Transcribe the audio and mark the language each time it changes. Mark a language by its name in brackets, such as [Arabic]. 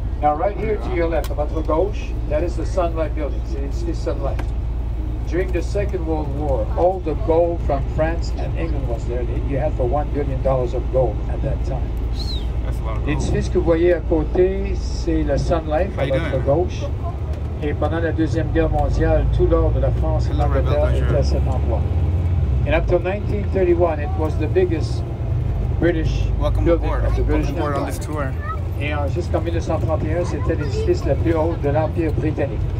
[English] Now, right here to your left, about to gauche, that is the Sunlight Building. See Sunlight. During the Second World War, all the gold from France and England was there. You had for $1 billion of gold at that time. [French] L'édifice que vous voyez à côté, c'est le Sun Life à votre gauche. Et pendant la Deuxième Guerre mondiale, tout l'or de la France et l'Angleterre était à cet endroit. [English] And up to 1931, it was the biggest British building of the British Empire. [French] Et jusqu'en 1931, c'était l'édifice le plus haut de l'Empire britannique.